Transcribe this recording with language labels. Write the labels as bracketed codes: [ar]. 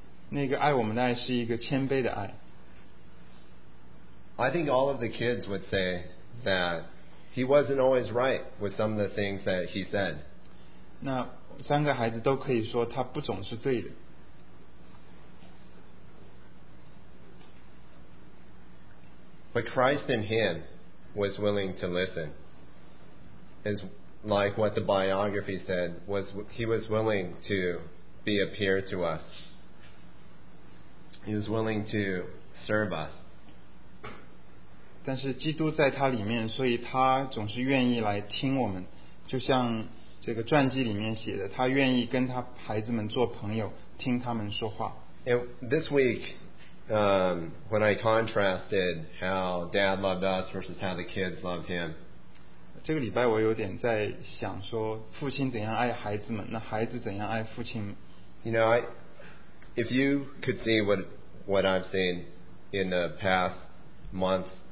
[zh] 那个爱我们的爱是一个谦卑的爱。 [en] I think all of the kids would say that he wasn't always right with some of the things that he said. [zh] 那三个孩子都可以说他不总是对的。 [en] But Christ in him was willing to listen. It's like what the biography said, was he was willing to be a peer to us. He was willing to serve us. [zh] 但是基督在他里面，所以他总是愿意来听我们，就像这个传记里面写的，他愿意跟他孩子们做朋友，听他们说话。 [en] This week, when I contrasted how Dad loved us versus how the kids loved him, [zh] 这个礼拜我有点在想说，父亲怎样爱孩子们，那孩子怎样爱父亲 [en] ？You know, if you could see what I've seen in the past months.